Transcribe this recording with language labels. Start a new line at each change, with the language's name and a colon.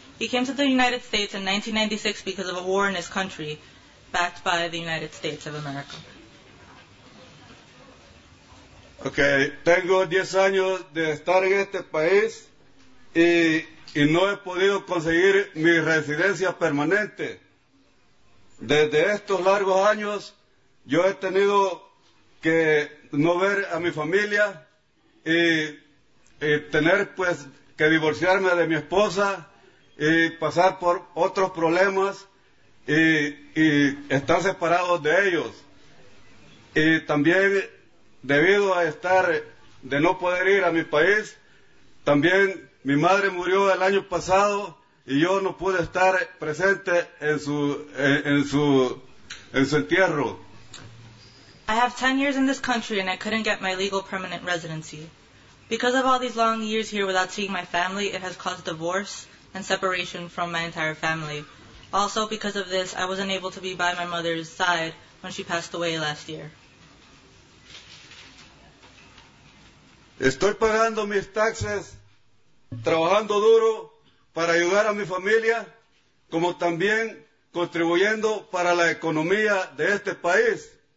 English: He came to the United States in 1996 because of a war in his country, backed by the United States of America.
Spanish: Okay, tengo 10 años de estar en este país y no he podido conseguir mi residencia permanente. Desde estos largos años, yo he tenido que no ver a mi familia y tener pues que divorciarme de mi esposa y pasar por otros problemas y estar separado de ellos. Y también, debido a estar de no poder ir a mi país, también mi madre murió el año pasado y yo no pude estar presente en su entierro.
English: I have 10 years in this country and I couldn't get my legal permanent residency. Because of all these long years here without seeing my family, it has caused divorce and separation from my entire family. Also, because of this, I wasn't able to be by my mother's side when she passed away last year.
Spanish: Estoy pagando mis taxes, trabajando duro para ayudar a mi familia, como también contribuyendo para la economía de este país.